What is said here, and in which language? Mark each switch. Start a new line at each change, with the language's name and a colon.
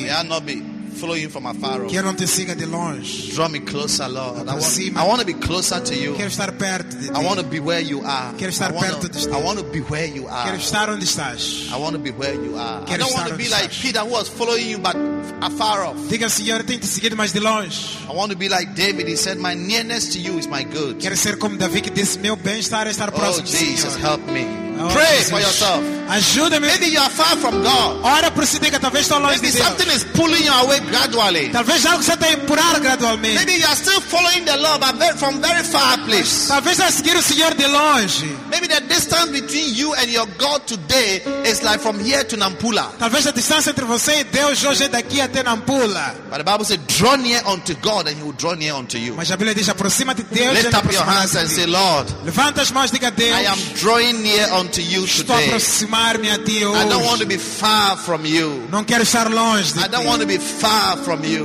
English: May I not be following from afar.
Portuguese: Que eu não te siga de longe.
English: Draw me closer, Lord. I want to be closer to you.
Portuguese: Quero estar perto de ti.
English: I want to be where you are.
Portuguese: Quero estar perto de ti.
English: I want to be where you are.
Portuguese: Quero estar onde estás.
English: I want to be where you are.
Portuguese: Quero
English: I don't want to be like
Portuguese: estás.
English: Peter, who was following you, but afar off.
Portuguese: Diga, Senhor, tenho te seguido, mas de longe.
English: I want to be like David. He said, my nearness to you is my good.
Portuguese: Quero ser como Davi, que disse, meu bem-estar é estar próximo.
English: Oh, Jesus, help me. Pray for yourself.
Portuguese: Ajuda-me.
English: Maybe you are far from God.
Portuguese: Ora por si, diga, talvez estou longe de Deus.
English: Maybe something is pulling you away gradually.
Portuguese: Talvez algo está a empurrar gradualmente.
English: Maybe you are still following the Lord, but from very far place.
Portuguese: Talvez estás a seguir o Senhor de longe.
English: Maybe the distance between you and your God today is like from here to Nampula.
Portuguese: Talvez a distância entre você e Deus hoje é daqui até Nampula.
English: But the Bible says, "Draw near unto God, and He will draw near unto you."
Portuguese: Mas a Bíblia diz, aproxima-te de Deus.
English: Lift up your hands and say, "Lord."
Portuguese: Levanta as mãos, diga, Deus.
English: I am drawing near unto you today.
Portuguese: A ti hoje.
English: I don't want to be far from you.
Portuguese: Não quero estar longe de
English: I don't want to be far from you.